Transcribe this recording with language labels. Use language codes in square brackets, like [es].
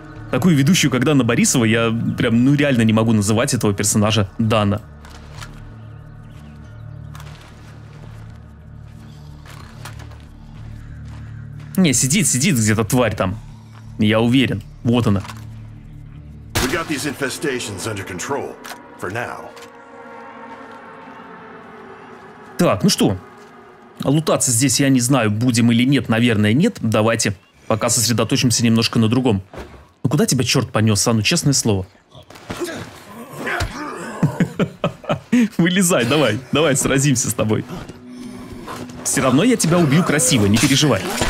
[ru] Такую ведущую, как Дана Борисова, я прям, ну, реально не могу называть этого персонажа Дана. Не, сидит, сидит где-то тварь там. Я уверен, вот она. [en] Got these infestations under control for now. [ru] Так, ну что, лутаться здесь я не знаю, будем или нет, наверное, нет. Давайте пока сосредоточимся немножко на другом. Ну куда тебя черт понес, а? Ну честное слово. Вылезай, давай, давай сразимся с тобой. Все равно я тебя убью красиво, не переживай.